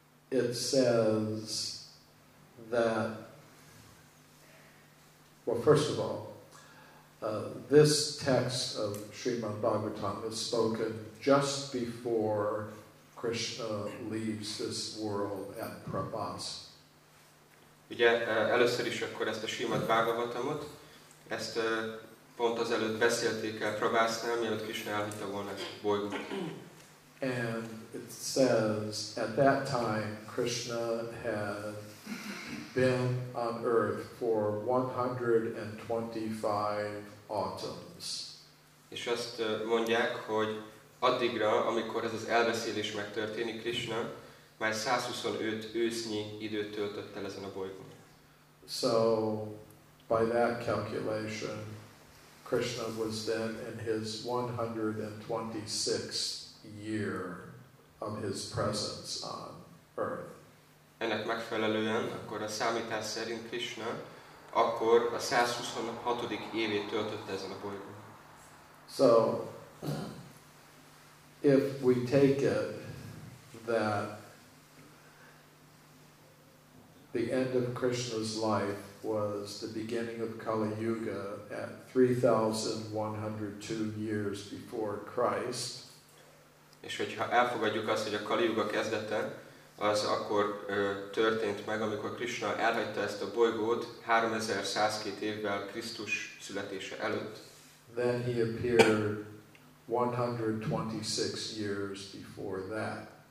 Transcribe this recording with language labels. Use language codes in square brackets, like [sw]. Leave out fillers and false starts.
[en] It says that, well, first of all, this text of Srimad Bhagavatam is spoken just before Krishna leaves this world at Prabhas. [hu] Ugye, először is akkor ezt a Srimad Bhagavatamot, ezt a pont azelőtt beszélték el Prabhasnál, mielőtt Krishna elhitte volna a bolygót. [en] And it says, at that time, Krishna had been on earth for 125 autumns. [hu] És azt mondják, hogy addigra, amikor ez az elbeszélés megtörténik, Krishna már 125 ősznyi időt töltött el ezen a bolygón. [en] So, by that calculation, Krishna was then in his 126th year of his presence on earth. [hu] Ennek megfelelően, akkor a számítás szerint Krishna akkor a 126. évét töltötte ezen a bolygón. [en] So, if we take it that the end of Krishna's life was the beginning of Kali Yuga at 3102 years before Christ. [hu] És hogyha elfogadjuk azt, hogy a Kali Yuga kezdete, az akkor történt meg, amikor Krishna elhagyta ezt a bolygót 3102 évvel Krisztus születése előtt. [en] Then he appeared 126 years before that.